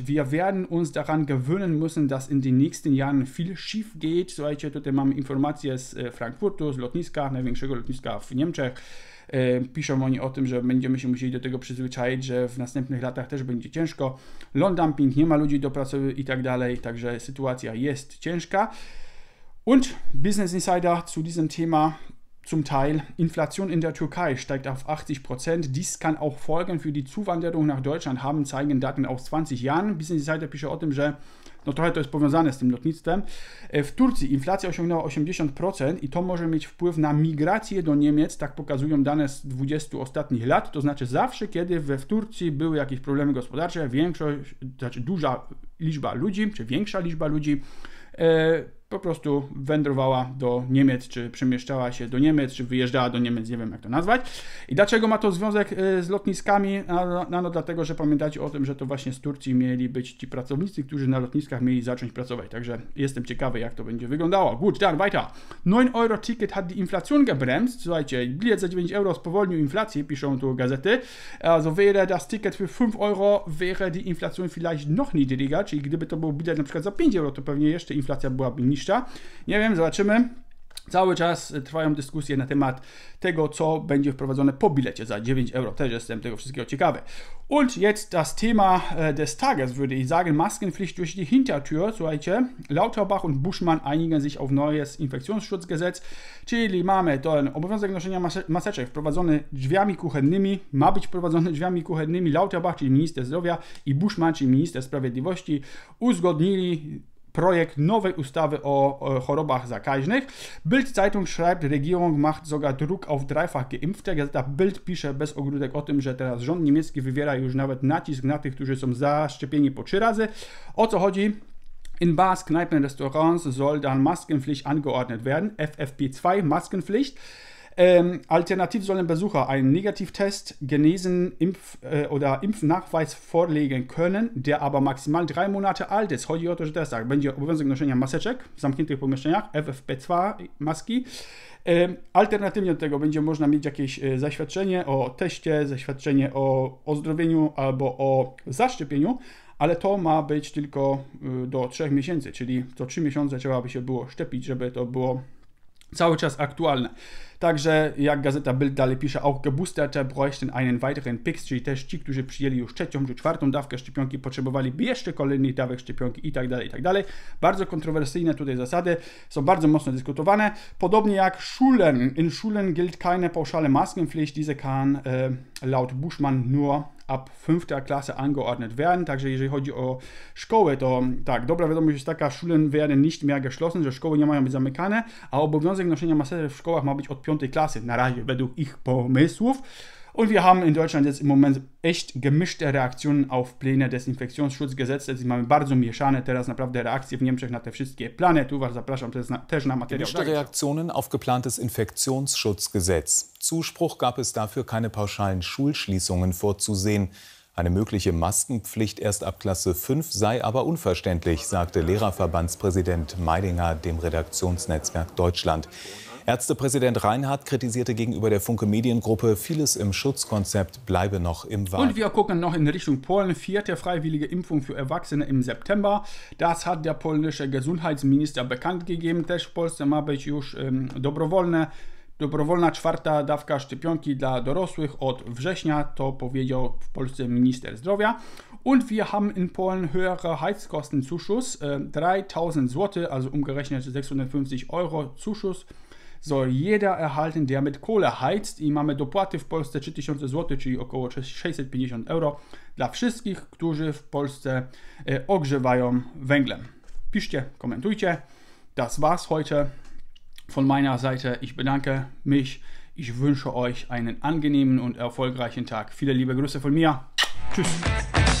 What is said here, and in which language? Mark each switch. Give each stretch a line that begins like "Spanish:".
German: Wir werden uns daran gewöhnen müssen, dass in den nächsten Jahren viel schief geht.
Polish: Słuchajcie, tutaj mamy informacje z Frankfurtu, z lotniska, największego lotniska w Niemczech. Piszą oni o tym, że będziemy się musieli do tego przyzwyczaić, że w następnych latach też będzie ciężko. Lohndumping, nie ma ludzi do pracy i tak dalej, także sytuacja jest ciężka.
German: Und Business Insider zu diesem Thema zum Teil. Inflation in der Türkei steigt auf 80%. Dies kann auch Folgen für die Zuwanderung nach Deutschland haben, zeigen Daten aus 20 Jahren.
Polish: Business Insider pisze o tym, że no trochę to jest powiązane z tym lotnictwem. W Turcji inflacja osiągnęła 80% i to może mieć wpływ na migrację do Niemiec, tak pokazują dane z 20 ostatnich lat, to znaczy zawsze, kiedy w Turcji były jakieś problemy gospodarcze, większość, znaczy duża liczba ludzi, czy większa liczba ludzi po prostu wędrowała do Niemiec, czy przemieszczała się do Niemiec, czy wyjeżdżała do Niemiec, nie wiem jak to nazwać. I dlaczego ma to związek z lotniskami? No dlatego, że pamiętacie o tym, że to właśnie z Turcji mieli być ci pracownicy, którzy na lotniskach mieli zacząć pracować. Także jestem ciekawy, jak to będzie wyglądało.
German: Gut, dann weiter. 9 euro ticket hat die Inflation gebremst.
Polish: Słuchajcie, bilet za 9 euro spowolnił inflację, piszą tu gazety.
German: Also wäre das ticket für 5 euro, wäre die Inflation vielleicht noch niedriger.
Polish: Czyli gdyby to był bilet na przykład za 5 euro, to pewnie jeszcze inflacja byłaby niższa. Nie wiem, zobaczymy. Cały czas trwają dyskusje na temat tego, co będzie wprowadzone po bilecie za 9 euro. Też jestem tego wszystkiego ciekawy.
German: Und jetzt das Thema des Tages, würde ich sagen. Maskenpflicht durch die Hintertür. Słuchajcie, Lauterbach und Buschmann einigen sich auf neues Infektionsschutzgesetz.
Polish: Czyli mamy ten obowiązek noszenia maseczek wprowadzony drzwiami kuchennymi. Ma być wprowadzony drzwiami kuchennymi. Lauterbach, czyli minister zdrowia, i Buschmann, czyli minister sprawiedliwości, uzgodnili projekt nowej ustawy o chorobach zakaźnych.
German: Bild Zeitung schreibt, Regierung macht sogar Druck auf dreifach Geimpfte.
Polish: Gazeta Bild pisze bez ogródek o tym, że teraz rząd niemiecki wywiera już nawet nacisk na tych, którzy są zaszczepieni po 3 razy. O co chodzi?
German: In Bars, Kneipen, Restaurants soll dann Maskenpflicht angeordnet werden. FFP2, Maskenpflicht. Alternativ sollen Besucher einen Negativtest, genesen oder Impfnachweis vorlegen können, der aber maximal 3 Monate alt ist.
Polish: Chodzi o to, że teraz tak, będzie obowiązek noszenia maseczek w zamkniętych pomieszczeniach, FFP2 maski. Alternatywnie do tego będzie można mieć jakieś zaświadczenie o teście, zaświadczenie o ozdrowieniu albo o zaszczepieniu, ale to ma być tylko do 3 miesięcy, czyli co 3 miesiące trzeba by się było szczepić, żeby to było cały czas aktualne. Także jak gazeta Bild dalej pisze,
German: auch geboosterte bräuchten einen weiteren Pix,
Polish: czyli też ci, którzy przyjęli już trzecią czy czwartą dawkę szczepionki, potrzebowali jeszcze kolejnych dawek szczepionki i tak dalej, i tak dalej. Bardzo kontrowersyjne tutaj zasady, są bardzo mocno dyskutowane. Podobnie jak Schulen.
German: In Schulen gilt keine pauschale Maskenpflicht, diese kann laut Buschmann nur ab 5. Klasse angeordnet werden.
Polish: Także jeżeli chodzi o szkoły, to tak, dobra wiadomość jest taka,
German: Schulen werden nicht mehr geschlossen,
Polish: że szkoły nie mają być zamykane, a obowiązek noszenia maseczek w szkołach ma być od 5. klasy, na razie według ich pomysłów.
German: Und wir haben in Deutschland jetzt im Moment echt gemischte Reaktionen auf Pläne Desinfektionsschutzgesetze.
Polish: Mamy bardzo mieszane teraz naprawdę reakcje w Niemczech na te wszystkie plany. Tu was zapraszam też na materiał.
German: Gemischte Reaktionen auf geplantes Infektionsschutzgesetz. Zuspruch gab es dafür, keine pauschalen Schulschließungen vorzusehen. Eine mögliche Maskenpflicht erst ab Klasse 5 sei aber unverständlich, sagte Lehrerverbandspräsident Meidinger dem Redaktionsnetzwerk Deutschland. Ärztepräsident Reinhardt kritisierte gegenüber der Funke Mediengruppe, vieles im Schutzkonzept bleibe noch im Wagen. Und wir gucken noch in Richtung Polen. Vierte freiwillige Impfung für Erwachsene im September. Das hat der polnische Gesundheitsminister bekannt gegeben.
Polish: Też w Polsce ma być już dobrowolne. Dobrowolna czwarta dawka szczepionki dla dorosłych od września, to powiedział w Polsce minister zdrowia.
German: Und wir haben in Polen höhere Heizkostenzuschuss, 3000 Zloty, also umgerechnet 650 Euro Zuschuss, soll jeder erhalten, der mit Kohle heizt.
Polish: I mamy dopłaty w Polsce 3000 Zloty, czyli około 650 Euro dla wszystkich, którzy w Polsce ogrzewają węglem. Piszcie, komentujcie.
German: Das war's heute. Von meiner Seite, ich bedanke mich. Ich wünsche euch einen angenehmen und erfolgreichen Tag. Viele liebe Grüße von mir. Tschüss.